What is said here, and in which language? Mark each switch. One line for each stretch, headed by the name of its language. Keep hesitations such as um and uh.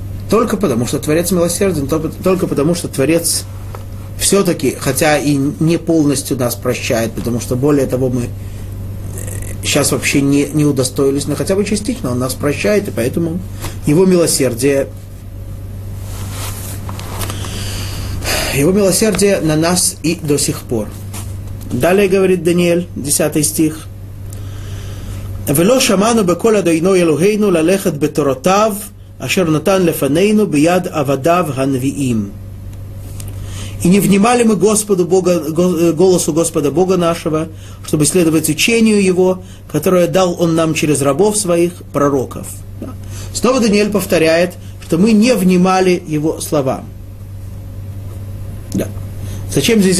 Russian: Только потому, что Творец милосерден, только потому, что Творец все-таки, хотя и не полностью нас прощает, потому что более того мы сейчас вообще не, не удостоились, но хотя бы частично он нас прощает, и поэтому его милосердие его милосердие на нас и до сих пор. Далее говорит Даниэль, 10 стих.
Hebrew: ולא שמענו בקול אדינו אלוהינו ללכת בתורותיו אשר נתן לפנינו ביד עבדיו הנביאים.
Russian: И не внимали мы Господу Бога, голосу Господа Бога нашего, чтобы следовать учению Его, которое дал Он нам через рабов своих, пророков. Снова Даниэль повторяет, что мы не внимали Его словам. Да. Зачем здесь...